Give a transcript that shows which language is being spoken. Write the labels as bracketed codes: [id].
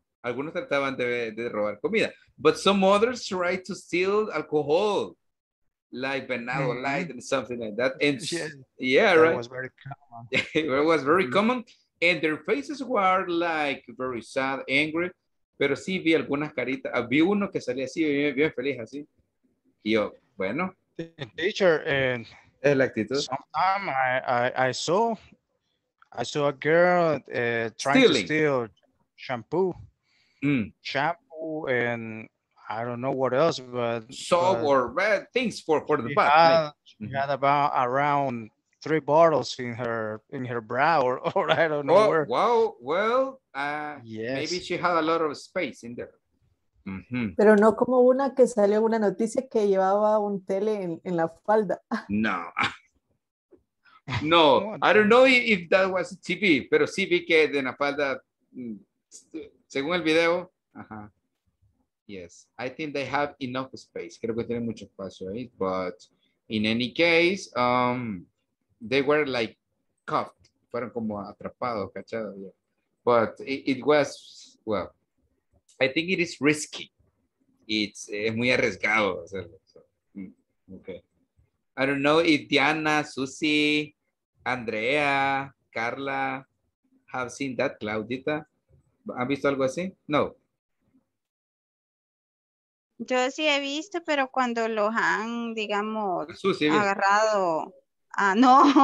[es] Algunos trataban de robar comida. [en] But some others tried to steal alcohol, like Bernardo Light and something like that. And yeah, that right? It was very common. It was very common. And their faces were like very sad, angry. [es] Pero sí vi algunas caritas. Vi uno que salía así, bien feliz así. Y yo, bueno... [en] Teacher, sometimes I saw a girl trying stealing. To steal shampoo, shampoo, and I don't know what else, but soap or bad things for the bath. She had about around 3 bottles in her bra or I don't know. Where. Well, yes. Maybe she had a lot of space in there. [es] Pero no como una que salió una noticia que llevaba un tele en la falda. [en] No. No, I don't know if that was TV, [es] pero sí vi que de la falda, según el video, [en] yes, I think they have enough space. [es] Creo que tienen mucho espacio ahí, [en] right? But in any case, they were like cuffed, [es] fueron como atrapados, cachados. [en] Yeah. But it was, well, I think it is risky. It's [es] muy arriesgado hacerlo. [en] So, okay. I don't know if Diana, Susie, Andrea, Carla have seen that, Claudita. [es] ¿Han visto algo así? No. Yo sí he visto, pero cuando los han, digamos, Susie, agarrado. Ah, no.